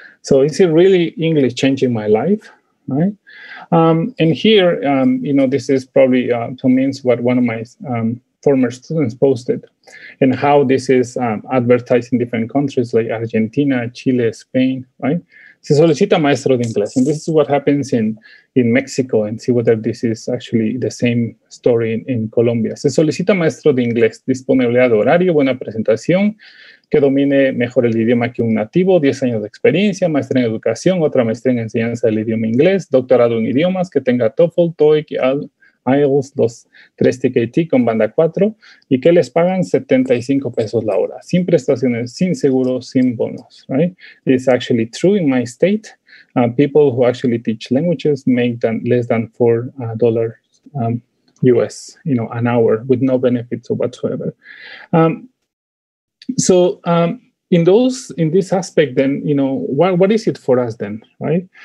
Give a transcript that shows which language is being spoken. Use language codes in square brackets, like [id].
[en] So is it really English changing my life? Right. And here, you know, this is probably to means what one of my former students posted, and how this is advertised in different countries like Argentina, Chile, Spain. Right. [es] Se solicita maestro de inglés. [en] And this is what happens in Mexico, and see whether this is actually the same story in Colombia. [es] Se solicita maestro de inglés, disponibilidad de horario, buena presentación, que domine mejor el idioma que un nativo, 10 años de experiencia, maestría en educación, otra maestría en enseñanza del idioma inglés, doctorado en idiomas, que tenga TOEFL, TOEIC, IELTS, los 3 TKT con banda 4, y que les pagan $75 la hora, sin prestaciones, sin seguro, sin bonos, right? [en] It's actually true in my state. People who actually teach languages make less than $4 US, you know, an hour, with no benefits whatsoever. So in this aspect, then, you know, what is it for us then, right?